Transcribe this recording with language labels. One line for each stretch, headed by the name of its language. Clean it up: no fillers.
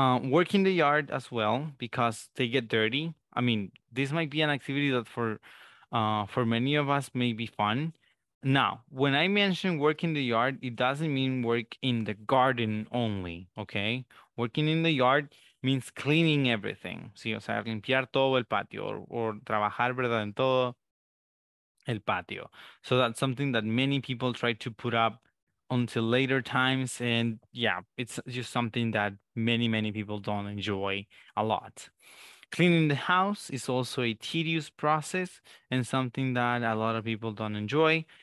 English: Work in the yard as well, because they get dirty. I mean, this might be an activity that for many of us may be fun. Now, when I mention work in the yard, it doesn't mean work in the garden only, okay? Working in the yard means cleaning everything.
Spanish: Sí, o sea, limpiar todo el patio, or trabajar, verdad, en todo el patio.
English: So that's something that many people try to put up until later times. And yeah, it's just something that many, many people don't enjoy a lot. Cleaning the house is also a tedious process and something that a lot of people don't enjoy.